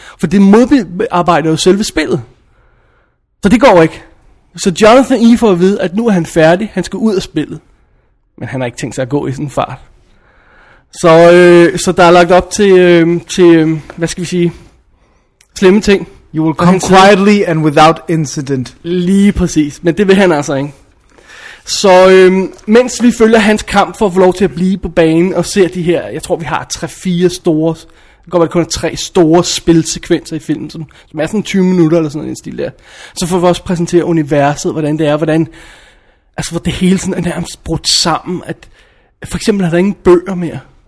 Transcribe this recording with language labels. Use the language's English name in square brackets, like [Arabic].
[Danish] For det modarbejder jo selve spillet. Så det går ikke. Så Jonathan E. får at vide, at nu er han færdig, han skal ud af spillet. Men han har ikke tænkt sig at gå i sådan en fart. Så der er lagt op til hvad skal vi sige, slemme ting. [English] You will come quietly and without incident. [Danish] Lige præcis, men det vil han altså ikke. Så mens vi følger hans kamp for at få lov til at blive på banen og ser de her, jeg tror vi har 3-4 store Det går vel kun tre store spilsekvenser i filmen, som er sådan 20 minutter eller sådan en stil der. Så får vi også præsentere universet, hvordan det er, hvordan, altså hvor det hele sådan er nærmest brudt sammen, at for eksempel har der ingen bøger mere.